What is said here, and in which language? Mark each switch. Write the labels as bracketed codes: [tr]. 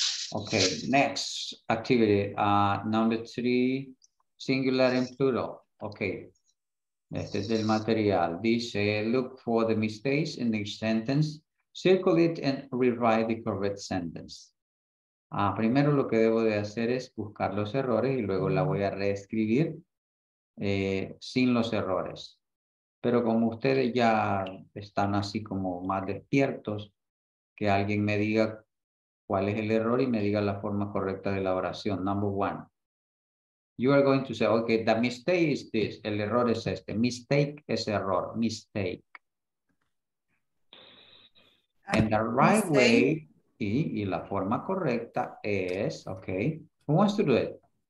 [en] Okay, next activity, number three, singular and plural. Okay, [es] este es el material. Dice, [en] look for the mistakes in each sentence, circle it and rewrite the correct sentence. [es] Primero lo que debo de hacer es buscar los errores y luego la voy a reescribir sin los errores. Pero como ustedes ya están así como más despiertos, que alguien me diga cuál es el error y me diga la forma correcta de la oración. [en] Number one. You are going to say, okay, the mistake is this. [es] El error es este. [en] Mistake [es] es error. Mistake. [en] And the right way, [es] y la forma correcta es, [en] okay. Who wants to do it?